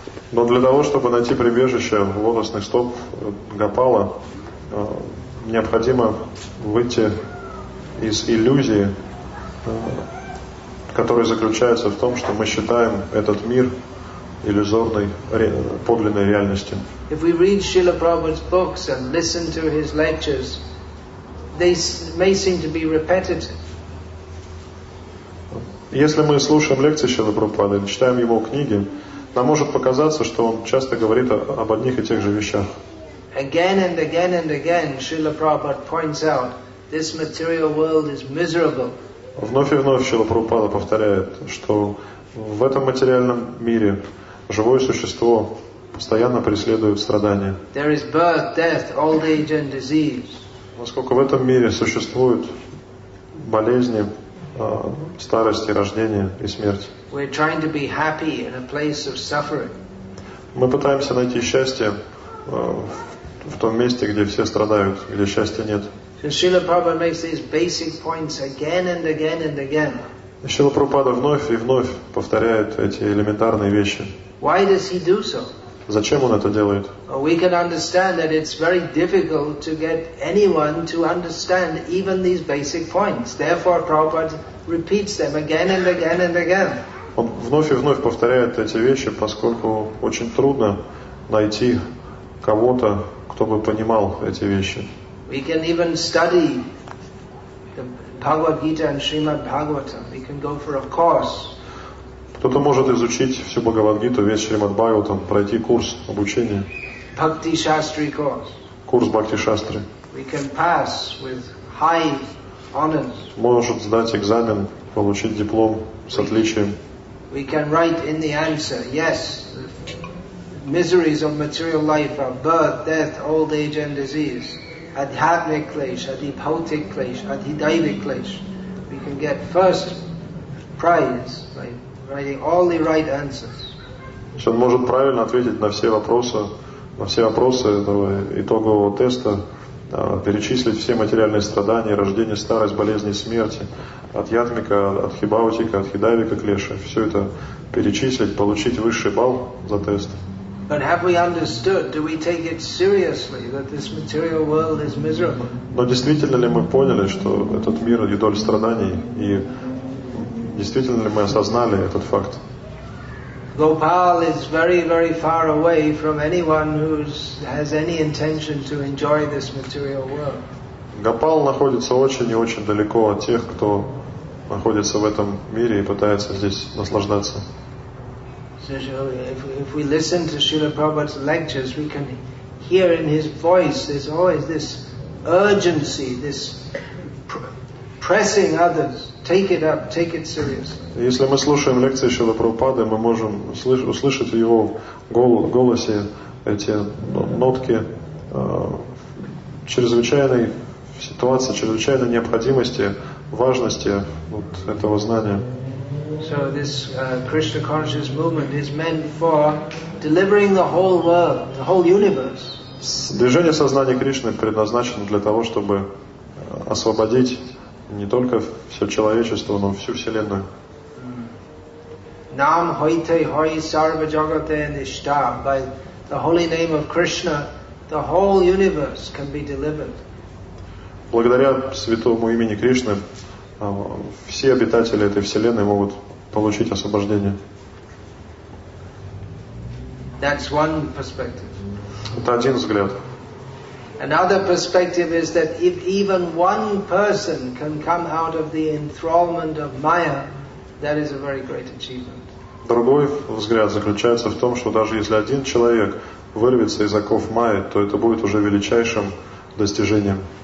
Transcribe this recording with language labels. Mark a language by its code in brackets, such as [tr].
[ru] Но для того, чтобы найти прибежище в лотосных стоп Гопала, необходимо выйти из иллюзии, которая заключается в том, что мы считаем этот мир иллюзорной, подлинной реальностью. [en] If we read Srila Prabhupada's books and listen to his lectures, they may seem to be repetitive. [ru] Если мы слушаем лекции Шрилы Прабхупады, читаем его книги, нам может показаться, что он часто говорит об одних и тех же вещах. [en] Again and again and again, Srila Prabhupada points out This material world is miserable. [ru] Вновь и вновь Шрила Прабхупада повторяет, что в этом материальном мире живое существо постоянно преследует страдания. [en] There is birth, death, old age and disease. [ru] Насколько в этом мире существуют болезни, старость, рождение и смерть. [en] We're trying to be happy in a place of suffering. [ru] Мы пытаемся найти счастье в том месте, где все страдают, где счастья нет. [en] Шрила Прабхупада makes these basic points again and again and again. [ru] Шрила Прабхупада вновь и вновь повторяет эти элементарные вещи. [en] Why does he do so? [ru] Зачем он это делает? [en] We can understand that it's very difficult to get anyone to understand even these basic points. Therefore, Prabhupada repeats them again and again and again. [ru] Он вновь и вновь повторяет эти вещи, поскольку очень трудно найти кого-то, кто бы понимал эти вещи. [en] We can even study the Bhagavad Gita and Srimad Bhagavatam. We can go for a course. [ru] Кто-то может изучить всю Бхагавад-гиту, весь Шримад-Бхагаватам, пройти курс обучения. Бхакти-шастри курс. Курс Бхакти-шастри. [en] We can pass with high honors. [ru] Может сдать экзамен, получить диплом с отличием. [en] We can write in the answer, yes, miseries of material life are birth, death, old age and disease. [sa] Adhyatmik klesh, adhibhautik klesh, adhidaivik klesh. [en] We can get first prize by writing all the right answers. [ru] Он может правильно ответить на все вопросы этого итогового теста, перечислить все материальные страдания, рождение, старость, болезни, смерти, от ятмика, от хибаутика, от хидавика, клеша, все это перечислить, получить высший балл за тест. [en] But have we understood? Do we take it seriously that this material world is miserable? [ru] Но действительно ли мы поняли, что этот мир идоль страданий и действительно ли мы осознали этот факт? [en] Gopal is very, very far away from anyone who has any intention to enjoy this material world. [ru] Gopal находится очень и очень далеко от тех, кто находится в этом мире и пытается здесь наслаждаться. [en] If we listen to Srila Prabhupada's lectures, we can hear in his voice there's always this urgency, this pressing others, take it up, take it seriously. [ru] Если мы слушаем лекции Шрилы Прабхупады, мы можем услышать в его голосе эти нотки чрезвычайной ситуации, чрезвычайной необходимости, важности вот этого знания. [en] So this Krishna consciousness movement is meant for delivering the whole world, the whole universe. [ru] Движение сознания Кришны предназначено для того, чтобы освободить не только все человечество, но всю Вселенную. [bn] Нам хойте хой сарва джагате ништа. [en] By the holy name of Krishna, the whole universe can be delivered. [ru] Благодаря святому имени Кришны, все обитатели этой Вселенной могут получить освобождение. [en] That's one perspective. [ru] Это один взгляд. [en] Another perspective is that if even one person can come out of the enthrallment of Maya, that is a very great achievement. [ru] Другой взгляд заключается в том, что даже если один человек вырвется из оков Майи, то это будет уже величайшим достижением.